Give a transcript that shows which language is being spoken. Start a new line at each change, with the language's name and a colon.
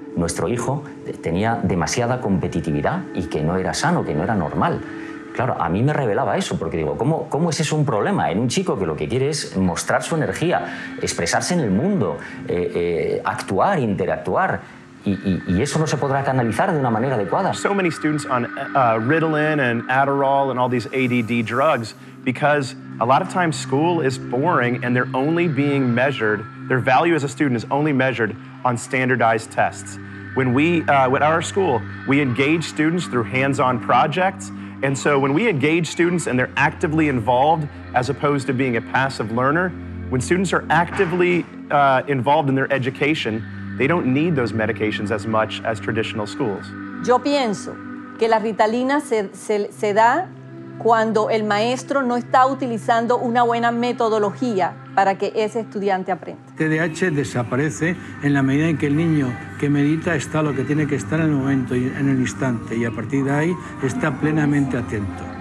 Spanish: Nuestro hijo tenía demasiada competitividad y que no era sano, que no era normal. Claro, a mí me revelaba eso, porque digo, ¿cómo es eso un problema en un chico que lo que quiere es mostrar su energía, expresarse en el mundo, actuar, interactuar? Y eso no se podrá canalizar de una manera adecuada.
English: So many students on Ritalin and Adderall and all these ADD drugs because a lot of times school is boring and they're only being measured, their value as a student is only measured on standardized tests. When we, at our school, we engage students through hands-on projects. And so when we engage students and they're actively involved as opposed to being a passive learner, when students are actively involved in their education, they don't need those medications as much as traditional schools.
Spanish: Yo pienso que la Ritalina se da cuando el maestro no está utilizando una buena metodología para que ese estudiante aprenda. TDAH desaparece en la medida en que el niño que medita está lo que tiene que estar en el momento y en el instante y a partir de ahí está plenamente atento.